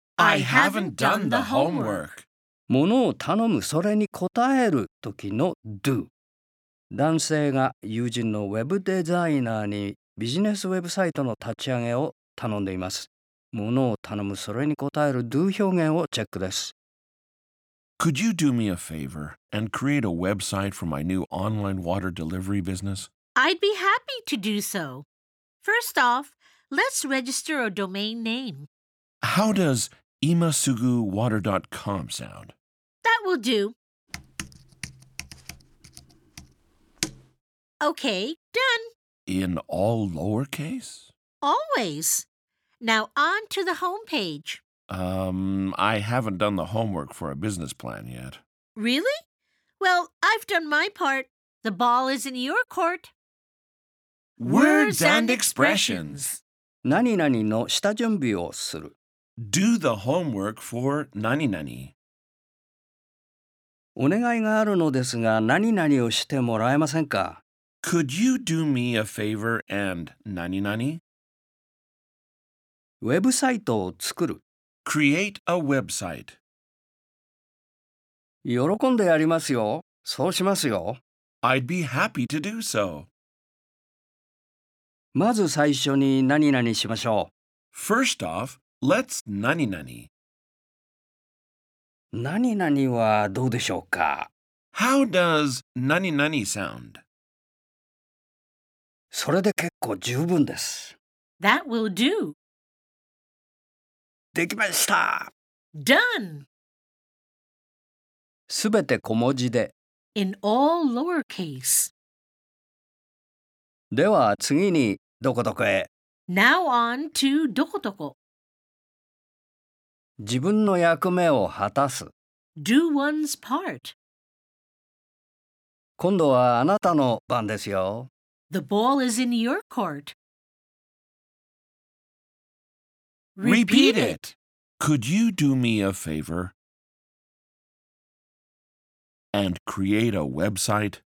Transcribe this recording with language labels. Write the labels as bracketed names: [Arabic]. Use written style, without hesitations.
[English] I haven't done the homework. [Japanese] 物を頼む、それに答える時の do。男性が友人のウェブデザイナーにビジネスウェブサイトの立ち上げを頼んでいます。物を頼む、それに答える do 表現をチェックです。 [English] Could you do me a favor and create a website for my new online water delivery business? I'd be happy to do so. First off,Let's register a domain name. How does imasuguwater.com sound? That will do. Okay, done. In all lowercase? Always. Now on to the homepage. I haven't done the homework for a business plan yet. Really? Well, I've done my part. The ball is in your court. Words and expressions. [Japanese] 何々の下準備をする。 [English] Do the homework for 何々。 [Japanese] お願いがあるのですが、何々をしてもらえませんか? [English] Could you do me a favor and 何々? [Japanese] ウェブサイトを作る。 [English] Create a website. [Japanese] 喜んでやりますよ。そうしますよ。 [English] I'd be happy to do so. [Japanese] まず最初に何々しましょう。 [English] First off, let's 何々。 [Japanese] 何々はどうでしょうか? [English] How does 何々 sound? [Japanese] それで結構十分です。 [English] That will do. [Japanese] できました。 [English] Done! [Japanese] すべて小文字で。 [English] In all lowercase. [Japanese] では次に。どこどこへ。 [English] Now on to どこどこ。 [Japanese] 自分の役目を果たす。 [English] Do one's part. [Japanese] 今度はあなたの番ですよ。 [English] The ball is in your court. Repeat it. Could you do me a favor and create a website?